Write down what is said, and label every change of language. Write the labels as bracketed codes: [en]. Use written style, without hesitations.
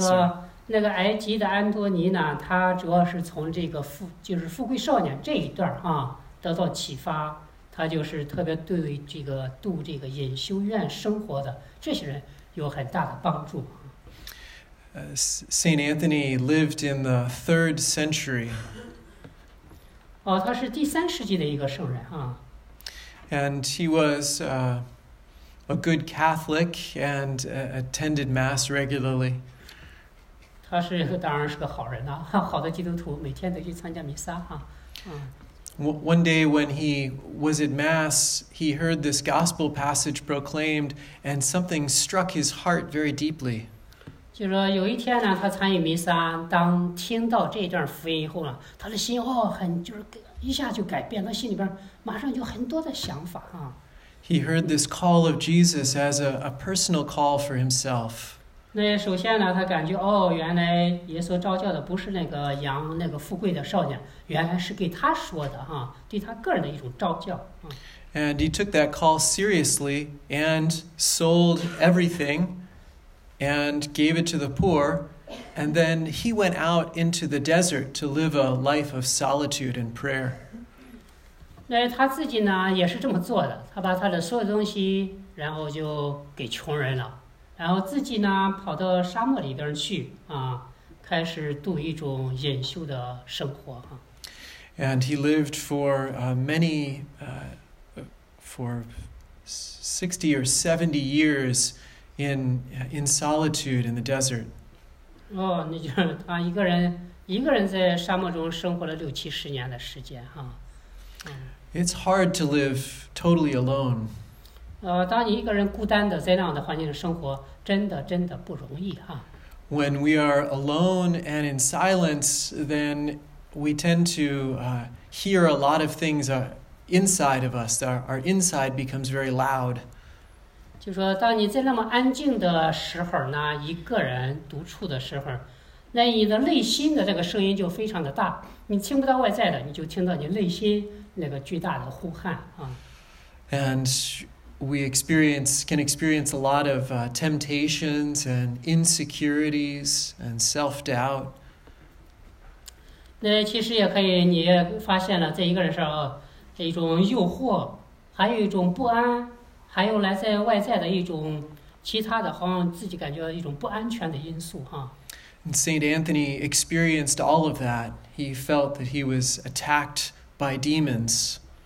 [zh] 说那个埃及的安多尼呢，他主要是从这个就是富贵少年这一段啊得到启发。他就是特别对这个度这个隐修院生活的这些人有很大的帮助。 [en] Saint Anthony lived in the 3rd century. [zh] 哦，他是第三世纪的一个圣人啊。 [en] And he was a good Catholic and attended Mass regularly. [zh] 他是当然是个好人呐，好的基督徒，每天都去参加弥撒哈，嗯。 [en] One day when he was at Mass, he heard this gospel passage proclaimed, and something struck his heart very deeply. [zh] 就说有一天呢，他参与弥撒，当听到这段福音以后呢，他的心哦，很就是一下就改变，他心里边马上就很多的想法啊。 [en] He heard this call of Jesus as a personal call for himself. [zh] 那首先呢，他感觉哦，原来耶稣召叫的不是那个羊那个富贵的少年，原来是给他说的哈，对他个人的一种召叫啊。 [en] And he took that call seriously and sold everything and gave it to the poor. And then he went out into the desert to live a life of solitude and prayer. [zh] 那他自己呢，也是这么做的。他把他的所有东西，然后就给穷人了，然后自己呢，跑到沙漠里边去啊，开始度一种隐修的生活哈。 [en] And he lived for many, for 60 or 70 years in solitude in the desert. [zh] 哦，那就是他一个人在沙漠中生活了6、7、10年的时间哈，嗯。 [en] It's hard to live totally alone. [zh] 当你一个人孤单的在那样的环境生活，真的不容易哈。 [en] When we are alone and in silence, then we tend to hear a lot of things inside of us. Our inside becomes very loud. [zh] 就说当你在那么安静的时候呢，一个人独处的时候，那你的内心的这个声音就非常的大，你听不到外在的，你就听到你内心那个巨大的呼喊啊。 [en] And we can experience a lot of temptations and insecurities and self-doubt. [zh] 那其实也可以，你也发现了，在一个人身上一种诱惑，还有一种不安，还有来自外在的一种其他的，好像自己感觉一种不安全的因素哈。 [en] And Saint Anthony experienced all of that. He felt that he was attacked by demons.